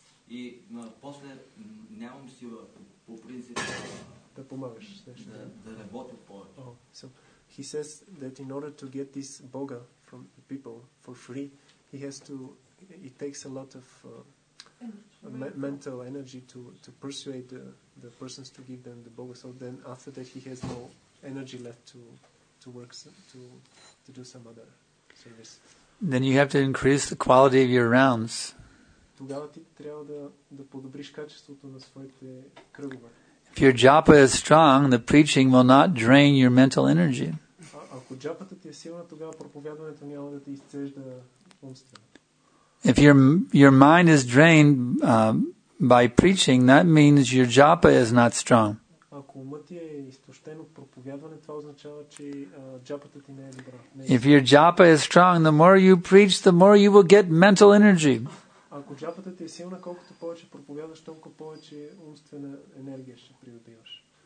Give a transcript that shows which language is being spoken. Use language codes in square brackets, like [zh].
[bg] И после нямам сила по принцип да помагаш. Да работя повече. [en] He says that in order to get this boga from the people for free, it takes a lot of mental energy to persuade the persons to give them the boga. So then after that he has no energy left to work to do some other service. Then you have to increase the quality of your rounds. [bg] Тогава ти трябва да подобриш качеството на своите кръгове. [en] If your japa is strong, the preaching will not drain your mental energy. [bg] Ако джапата ти е силна, тогава проповядването няма да ти изцежда умствено. [en] If your mind is drained by preaching, that means your japa is not strong. [bg] Ако умът ти е изтощен от проповядване, това означава, че джапата ти не е добра. [en] If your japa is strong, the more you preach, the more you will get mental energy. [bg] Ако джапата ти е силна, колкото повече проповядаш, толкова повече умствена енергия ще придобиваш.